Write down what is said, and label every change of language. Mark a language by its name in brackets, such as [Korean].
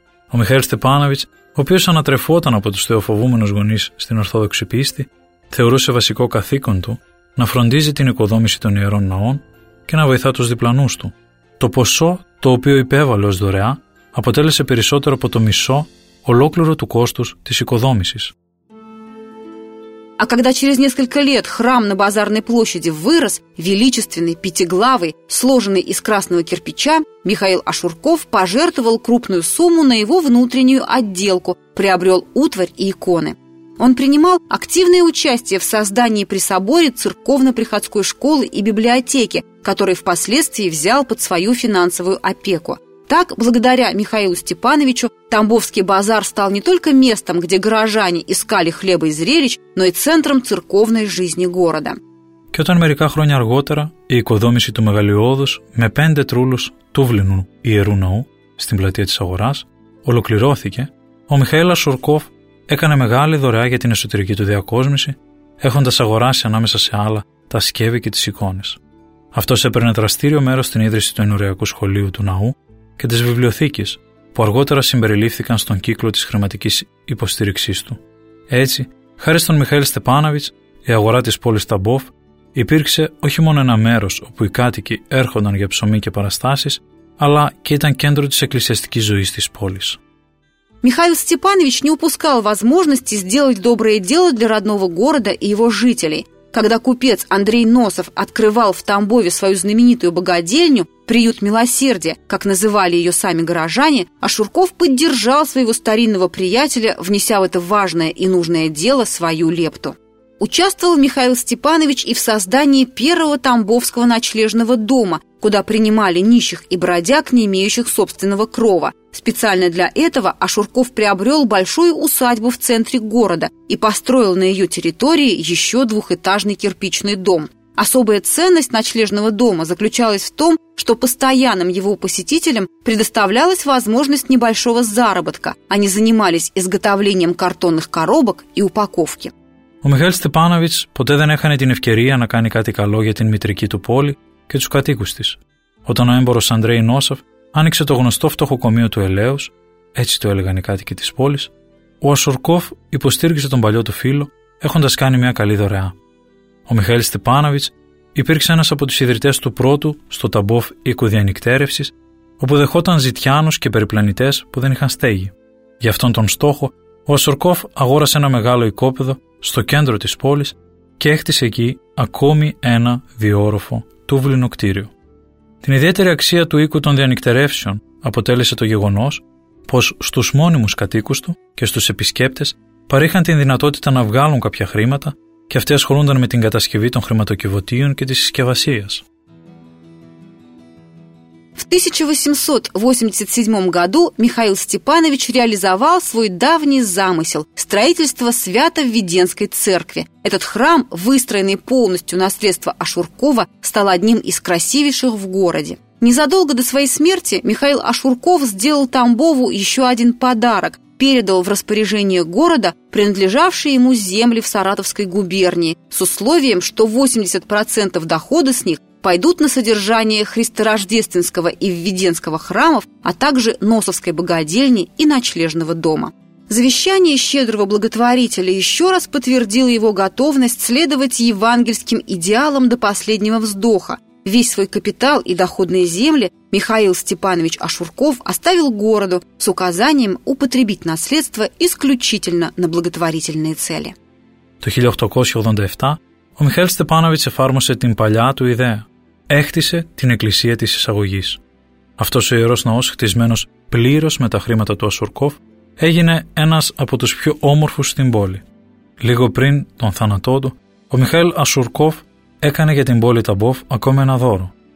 [Greek] Ο Μιχαήλ Στεπάνοβιτς, ο οποίος ανατρεφόταν από τους θεοφοβούμενους γονείς στην Ορθόδοξη πίστη, θεωρούσε βασικό καθήκον του να φροντίζει την οικοδόμηση των ιερών ναών και να βοηθά τους διπλανούς του. Το ποσό το οποίο υπέβαλε ως δωρεά αποτέλεσε περισσότερο από το μισό ολόκληρο του κόστους της οικοδόμησης. [Russian] А когда через несколько лет храм на базарной площади вырос, величественный, пятиглавый, сложенный из красного кирпича, Михаил Ашурков пожертвовал крупную сумму на его внутреннюю отделку, приобрел утварь и иконы. Он принимал активное участие в создании при соборе церковно-приходской школы и библиотеки, которые впоследствии взял под свою финансовую опеку. Так, благодаря Михаилу Степановичу, Тамбовский базар стал не только местом, где горожане искали хлеба и зрелищ, но и центром церковной жизни города. [Greek] Και όταν μερικά χρόνια αργότερα η οικοδόμηση του μεγαλειώδους με 5 τρούλους τούβλινου ιερού ναού στην πλατεία της αγοράς ολοκληρώθηκε, ο Μιχαήλ Ασουρκόφ έκανε μεγάλη δωρεά για την εσωτερική του διακόσμηση, έχοντας αγοράσει ανάμεσα σε άλλα τα σκεύη και τις εικόνες. Αυτός έπαιρνε δραστήριο μέρος στην ίδρυση του ενωριακού σχολείου του ναού και τις βιβλιοθήκες που αργότερα συμπεριλήφθηκαν στον κύκλο της χρηματικής υποστήριξής του. Έτσι, χάρη στον Μιχαήλ Στεπάνοβιτς, η αγορά της πόλης Ταμπόφ υπήρξε όχι μόνο ένα μέρος όπου οι κάτοικοι έρχονταν για ψωμί και παραστάσεις, αλλά και ήταν κέντρο της εκκλησιαστικής ζωής της πόλης. [Russian] Михаил Степанович не упускал возможности сделать доброе дело для родного города и его жителей. Когда купец Андрей Носов открывал в Тамбове свою знаменитую богадельню, приют милосердия, как называли ее сами горожане, Ашурков поддержал своего старинного приятеля, внеся в это важное и нужное дело свою лепту. Участвовал Михаил Степанович и в создании первого тамбовского ночлежного дома, куда принимали нищих и бродяг, не имеющих собственного крова. Специально для этого Ашурков приобрел большую усадьбу в центре города и построил на ее территории еще двухэтажный кирпичный дом. Особая ценность ночлежного дома заключалась в том, что постоянным его посетителям предоставлялась возможность небольшого заработка. Они занимались изготовлением картонных коробок и упаковки. [Greek] Ο Μιχαήλ Στεπάνοβιτς ποτέ δεν έχανε την ευκαιρία να κάνει κάτι καλό για την μητρική του πόλη και τους κατοίκους της. Όταν ο έμπορος Αντρέι Νόσαφ άνοιξε το γνωστό φτωχοκομείο του Ελέους, έτσι το έλεγαν οι κάτοικοι της πόλης, ο Ασορκόφ υποστήριξε τον παλιό του φίλο, έχοντας κάνει μια καλή δωρεά. Ο Μιχαήλ Στεπάνοβιτς υπήρξε ένας από τους ιδρυτές του πρώτου στο Ταμπόφ οίκου διανυκτέρευσης, όπου δεχόταν ζητιάνους και περιπλανητές που δεν είχαν στέγη. Για αυτόν τον στόχο, ο Ασορκόφ αγόρασε ένα μεγάλο οικόπεδο στο κέντρο της πόλης και έκτισε εκεί ακόμη ένα διόροφο τούβλινο κτίριο. Την ιδιαίτερη αξία του οίκου των διανυκτερεύσεων αποτέλεσε το γεγονός πως στους μόνιμους κατοίκους του και στους επισκέπτες παρήχαν την δυνατότητα να βγάλουν κάποια χρήματα και αυτοί ασχολούνταν με την κατασκευή των χρηματοκιβωτίων και της συσκευασίας. [Russian] В 1887 году Михаил Степанович реализовал свой давний замысел – строительство Свято-Введенской церкви. Этот храм, выстроенный полностью на средства Ашуркова, стал одним из красивейших в городе. Незадолго до своей смерти Михаил Ашурков сделал Тамбову еще один подарок – передал в распоряжение города принадлежавшие ему земли в Саратовской губернии с условием, что 80% дохода с них пойдут на содержание Христорождественского и Введенского храмов, а также Носовской богадельни и ночлежного дома. Завещание щедрого благотворителя еще раз подтвердило его готовность следовать евангельским идеалам до последнего вздоха. Весь свой капитал и доходные земли Михаил Степанович Ашурков оставил городу с указанием употребить наследство исключительно на благотворительные цели. [Greek] В 1887 Михаил Степанович эфармосе την παλιά του ιδέα. Έχτισε την εκκλησία της εισαγωγής. Αυτός ο ιερός ναός, χτισμένος πλήρως με τα χρήματα του Ασουρκόφ, έγινε ένας από τους πιο όμορφους στην πόλη. Λίγο πριν τον θάνατό του, ο Μιχαήλ Ασουρκόφ έκανε για την πόλη Ταμπόφ ακόμα ένα δώρο.